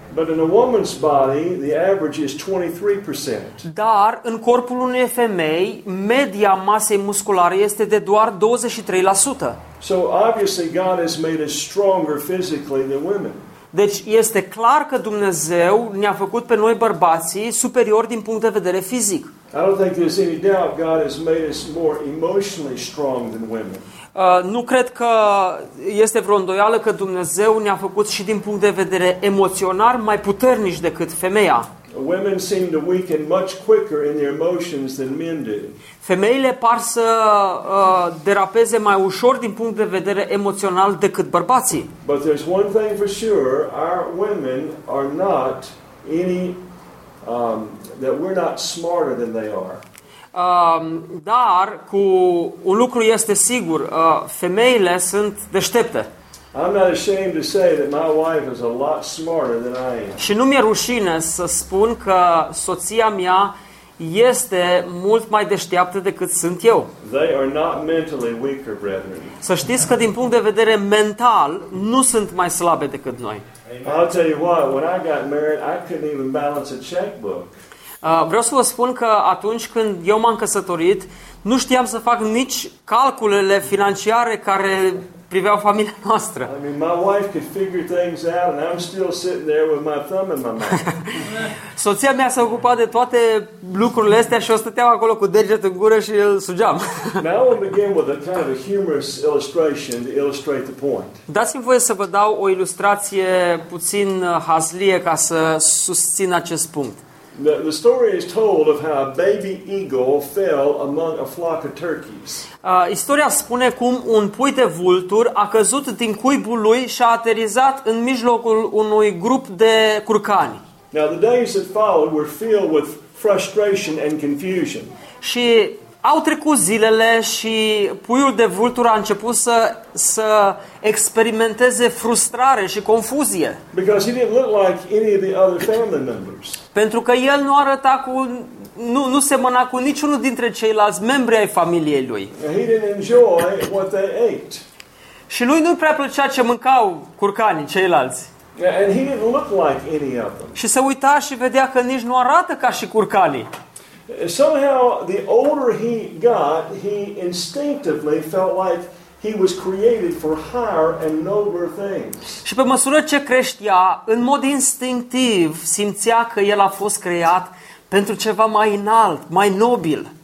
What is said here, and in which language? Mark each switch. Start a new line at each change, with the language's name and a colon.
English: But in a woman's body, the average is 23%.
Romanian: Dar în corpul unei femei, media masei musculare este de doar 23%.
English: So obviously God has made us stronger physically than women.
Romanian: Deci este clar că Dumnezeu ne-a făcut pe noi bărbații superiori din punct de vedere fizic.
English: I don't think there's any doubt God has made us more emotionally strong than women.
Romanian: Nu cred că este vreo îndoială că Dumnezeu ne-a făcut și din punct de vedere emoțional mai puternici decât femeia.
English: Women seem to weaken much quicker in their emotions than men do.
Romanian: Femeile par să derapeze mai ușor din punct de vedere emoțional decât bărbații.
English: But there's one thing for sure, our women are not any that we're not smarter than they are.
Romanian: Dar cu un lucru este sigur, femeile sunt deștepte.
English: I'm not ashamed to say that my wife is a lot smarter than I am.
Romanian: Și nu mi-e rușine să spun că soția mea este mult mai deșteaptă decât sunt eu.
English: They are not mentally weaker, brethren.
Romanian: Să știți că din punct de vedere mental nu sunt mai slabe decât noi.
English: Amen. I'll tell you what, when I got married, I couldn't even balance a checkbook.
Romanian: Vreau să vă spun că atunci când eu m-am căsătorit, nu știam să fac nici calculele financiare care priveau familia noastră.
English: I mean, my wife could figure things out and I'm still sitting there with my thumb in my mouth.
Romanian: Soția mea s-a ocupat de toate lucrurile astea și eu stăteam acolo cu degetul în gură și îl sugeam.
English: Now we'll begin with a kind of a humorous illustration to illustrate the point.
Romanian: Dați-mi voie să vă dau o ilustrație puțin hazlie ca să susțin acest punct.
English: The story is told of how a baby eagle fell among a flock of turkeys.
Romanian: Istoria spune cum un pui de vulturi a căzut din cuibul lui și a aterizat în mijlocul unui grup de curcani.
English: Now the days that followed were filled with frustration and confusion.
Romanian: Și au trecut zilele și puiul de vulturi a început să experimenteze frustrare și confuzie.
English: Because he didn't look like any of the other family members.
Romanian: Pentru că el nu arăta cu nu semăna cu niciunul dintre ceilalți membri ai familiei lui.
English: He didn't enjoy what they ate.
Romanian: Și lui nu prea plăcea ce mâncau curcanii ceilalți.
English: And he didn't look like any of them.
Romanian: Și se uita și vedea că nici nu arată ca și curcanii.
English: Somehow the older he got, he instinctively felt like he was created for higher and nobler things.
Romanian: Și pe măsură ce creștea, în mod instinctiv simțea că el a fost creat pentru ceva mai înalt, mai nobil.